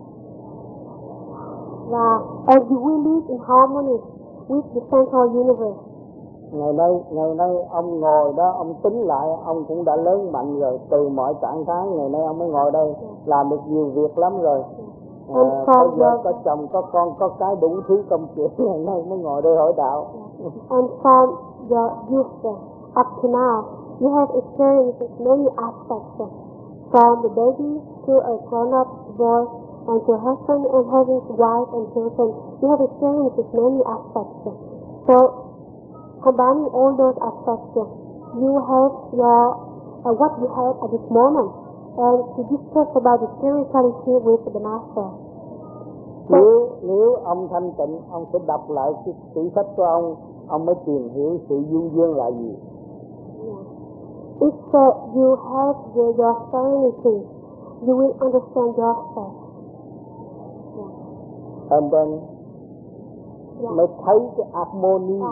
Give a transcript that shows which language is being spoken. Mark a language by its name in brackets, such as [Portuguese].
[English] Yeah. And you will live in harmony with the central universe. [Vietnamese] Ngày nay ông ngồi đó, ông tính lại, ông cũng đã lớn mạnh rồi, từ mọi trạng thái ngày nay ông mới ngồi đây, làm được nhiều việc lắm rồi. Có chồng, có con, có cái đủ thứ công chuyện, ngày nay mới ngồi đây hỏi đạo. [English] And from your youth up to now, you have experienced many aspects, from the baby to a grown-up boy, and to husband and having wife and children. You have experienced many aspects. So, combining all those aspects, you have what you have at this moment, and to discuss about the spirituality with the master. [Vietnamese] Nếu ông thanh tịnh, ông sẽ đọc lại cái sử sách của ông. Ông mới tìm hiểu sự dương dương là gì. [English] If you have your serenity, you will understand yourself. Yeah. And then, [Vietnamese] mới thấy cái harmony.